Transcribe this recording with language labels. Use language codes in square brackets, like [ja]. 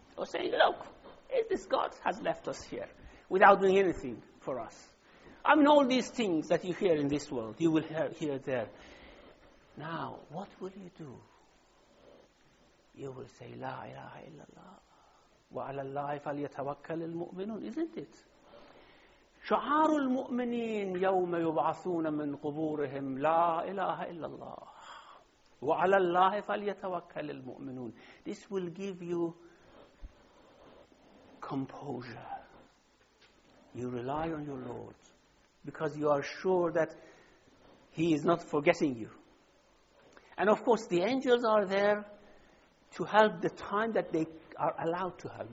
[en] Or saying, look, this God has left us here without doing anything for us. I mean, all these things that you hear in this world, you will hear there. Now, what will you do? You will say, [ar] La ilaha illallah. Wa ala Allahi falyatawakkal al-mu'minun, [en] isn't it? [ar] شعار المؤمنين يوم يبعثون من قبورهم لا إله إلا الله وعلى الله فليتوكل المؤمنون. [en] This will give you composure. You rely on your Lord because you are sure that He is not forgetting you. And of course the angels are there to help the time that they are allowed to help.